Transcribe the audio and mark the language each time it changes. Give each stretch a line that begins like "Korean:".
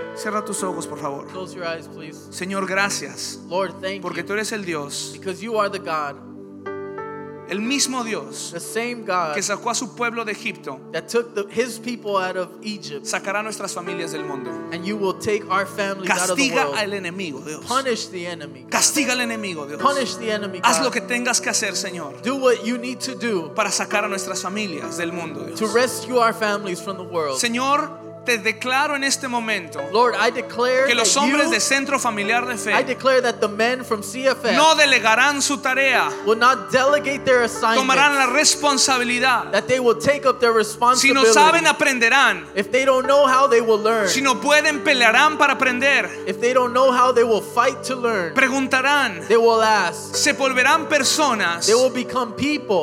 Spanish: Cierra tus ojos, por favor.
English: Close your eyes, please.
Spanish: Señor, gracias.
English: Lord, thank
Spanish: porque
English: you.
Spanish: Porque tú eres el Dios.
English: Because you are the God.
Spanish: El mismo Dios.
English: The same God.
Spanish: Que sacó a su pueblo de Egipto.
English: That took his people out of Egypt.
Spanish: Sacará nuestras familias del mundo.
English: And you will take our families
Spanish: Castiga
English: out of the world.
Spanish: Castiga al enemigo, Dios.
English: Punish the enemy. God.
Spanish: Castiga al enemigo, Dios.
English: Punish the enemy.
Spanish: Haz lo que tengas que hacer, Señor.
English: Do what you need to do.
Spanish: Para sacar a nuestras familias del mundo, Dios.
English: To rescue our families from the world.
Spanish: Señor. Te declaro en este momento
English: Lord, I declare
Spanish: que los hombres
English: you,
Spanish: de Centro Familiar de Fe
English: I declare that the men from CFF
Spanish: no delegarán su tarea
English: will not delegate their assignment,
Spanish: tomarán la responsabilidad
English: that they will take up their responsibility.
Spanish: Si no saben aprenderán
English: if they don't know how they will learn
Spanish: si no pueden pelearán para aprender
English: if they don't know how they will fight to learn
Spanish: preguntarán
English: they will ask
Spanish: se volverán personas
English: they will become people